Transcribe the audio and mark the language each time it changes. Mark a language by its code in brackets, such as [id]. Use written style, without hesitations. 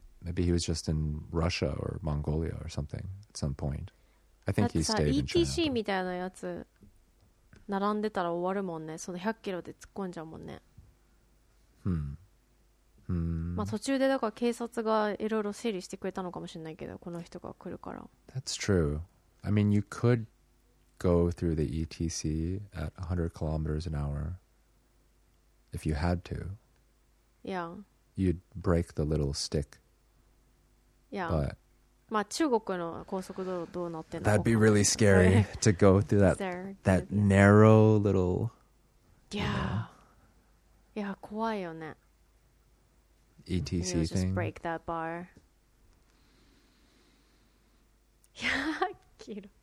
[en] Maybe he was just in Russia or Mongolia or something at some point. I think he stayed in China. [ja] ETC みたいなやつ並んでたら終わるもんね。その100キロで突っ込んじゃうもんね。まあ途中でだから警察がいろいろ整理してくれたのかもしれないけど、この人が来るから。 [en] That's true. I mean, you could go through the ETC at 100 kilometers an hour if you had to. Yeah. You'd break the little stick. Yeah. But [ja] まあ中国の高速道路どうなってんの？ [en] That'd be really scary to go through that that narrow little. Yeah. You know, yeah, [ja] 怖いよね。 [en] ETC you know, thing. Just break that bar. [ja] Hyakkyuro.